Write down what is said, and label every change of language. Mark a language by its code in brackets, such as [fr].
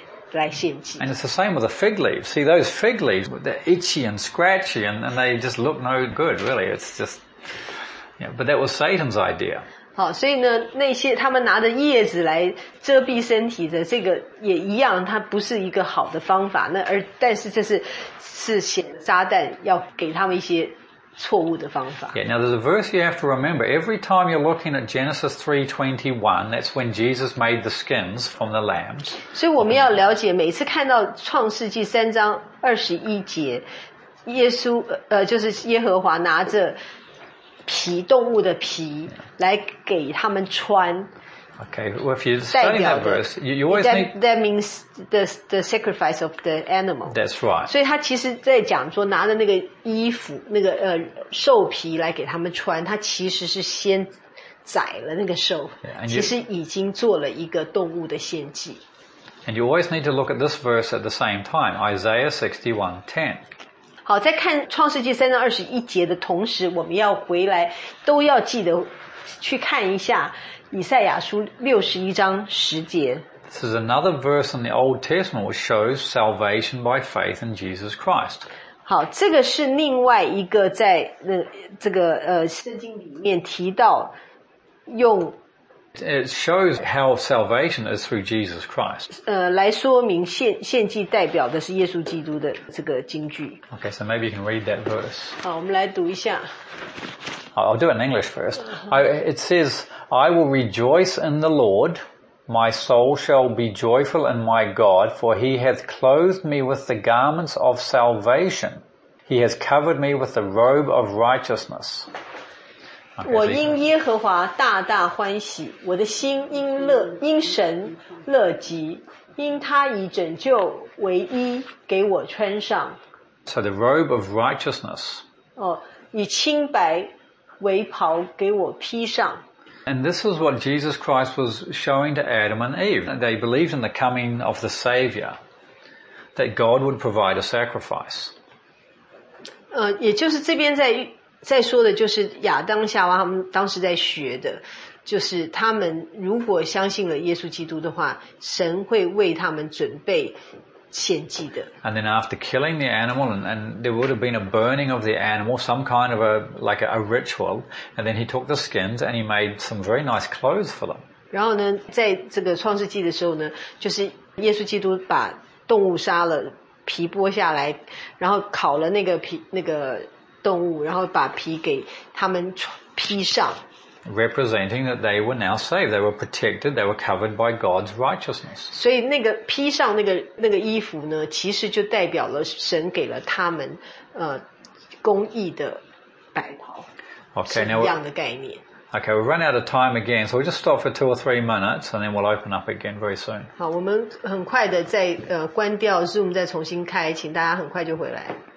[en] And it's the same with the fig leaves. See, those fig leaves, they're itchy and scratchy and they just look no good, really. It's just, yeah, but that was Satan's idea. [zh] 好，所以呢，那些他们拿着叶子来遮蔽身体的，这个也一样，它不是一个好的方法。那而，但是这是显撒旦要给他们一些错误的方法。 [en] Yeah, now there's a verse you have to remember. Every time you're looking at Genesis 3:21, that's when Jesus made the skins from the lambs. [zh] 所以我们要了解，每次看到创世纪三章二十一节，耶稣就是耶和华拿着皮动物的皮来给他们穿。 [en] Okay, well, if you study that verse, you always need... That means the sacrifice of the animal. That's right. [zh] 所以他其实在讲说拿着那个衣服那个兽皮来给他们穿，他其实是先宰了那个兽，其实已经做了一个动物的献祭。 [en] And you always need to look at this verse at the same time, Isaiah 61:10. [zh] 好，在看创世纪三章二十一节的同时，我们要回来都要记得去看一下以赛亚书六十一章十节。 [en] This is another verse in the Old Testament which shows salvation by faith in Jesus Christ. [zh] 好，这个是另外一个在这个圣经里面提到用。 [en] It shows how salvation is through Jesus Christ. [zh] 来说明献祭代表的是耶稣基督的这个经句。 [en] Okay, so maybe you can read that verse. [zh] 好，我们来读一下。 [en] I'll do it in English first. It says, I will rejoice in the Lord. My soul shall be joyful in my God, for he hath clothed me with the garments of salvation. He has covered me with the robe of righteousness. [zh] Okay, 我因耶和华大大欢喜，我的心因神乐极，因他以拯救为衣给我穿上。 [en] So the robe of righteousness. [zh] 以清白为袍给我披上。 [en] And this is what Jesus Christ was showing to Adam and Eve. They believed in the coming of the Savior. that God would provide a sacrifice. [zh] 也就是这边在说的就是亚当夏娃他们当时在学的，就是他们如果相信了耶稣基督的话，神会为他们准备献祭的。 [en] And then after killing the animal, and there would have been a burning of the animal, some kind of a ritual, and then he took the skins and he made some very nice clothes for them. [zh] 然后呢，在这个创世纪的时候呢，就是耶稣基督把动物杀了，皮剥下来，然后烤了那个皮那个动物，然后把皮给他们披上。 [en] Representing that they were now saved, they were protected, they were covered by God's righteousness. [zh] 所以那个披上那个衣服呢，其实就代表了神给了他们公义的白袍。 [en] Okay, [zh] 是一样的概念。 [en] Okay, we've run out of time again, so we'll just stop for 2 or 3 minutes, and then we'll open up again very soon. [zh] 好，我们很快的再关掉 Zoom, 再重新开，请大家很快就回来。